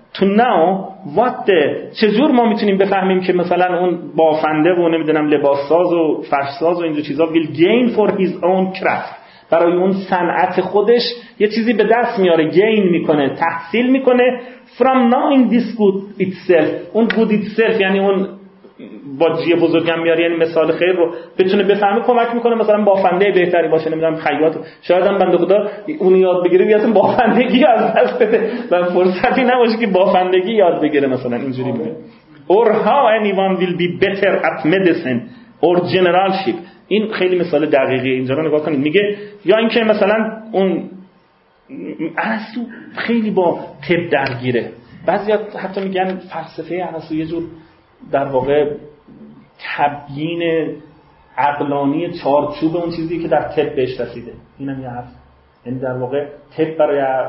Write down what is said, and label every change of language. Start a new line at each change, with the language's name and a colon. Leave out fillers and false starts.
English: تو now what
Persian: چجور ما میتونیم بفهمیم که مثلا اون بافنده و نمیدونم لباس ساز و فرش ساز و این چیزا
English: will gain for his اون craft,
Persian: برای اون صنعت خودش یه چیزی به دست میاره، گین میکنه، تحصیل میکنه
English: from knowing this good itself,
Persian: اون گود ایتسلف یعنی اون با جیه بزرگم میاره، یعنی مثال خیر رو بتونه بفهمه، کمک میکنه مثلا بافنده بهتری باشه، نمیدونم خیاط، شاید هم بنده خدا اون یاد بگیره بیاد بافندگی از دست بده و فرصتی نباشه که بافندگی یاد بگیره مثلا اینجوری بگه.
English: Or how anyone will be better at medicine or generalship.
Persian: این خیلی مثال دقیقیه، اینجا رو نگاه کنید. میگه یا اینکه مثلا اون ارسطو خیلی با طب درگیره، بعضی حتی میگن فلسفه ارسطو یه جور در واقع تبیین عقلانی چارچوب اون چیزی که در طب بهش رسیده، اینم یه حرف، این در واقع طب برای